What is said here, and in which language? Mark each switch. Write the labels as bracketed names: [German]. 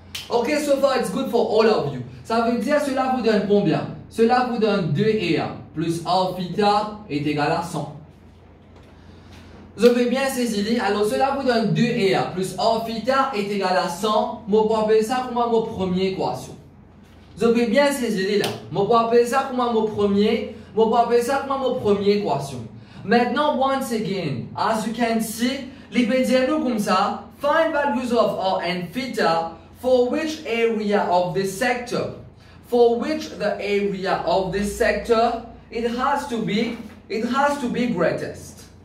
[English] Ok, so far it's good for all of you. [French] Ça veut dire cela vous donne combien? Cela vous donne 2R plus R theta est égal à 100. Vous avez bien saisi, alors cela vous donne 2R plus R theta est égal à 100. Je vais appeler ça comme ma première équation. Vous avez bien saisi là. Je vais appeler ça comme ma première. Je vais appeler ça comme ma première équation. [English] Maintenant, once again, as you can see, [French] libédiez-nous comme ça, [English] find values of R and theta for which area of this sector, for which the area of this sector, it has to be greatest.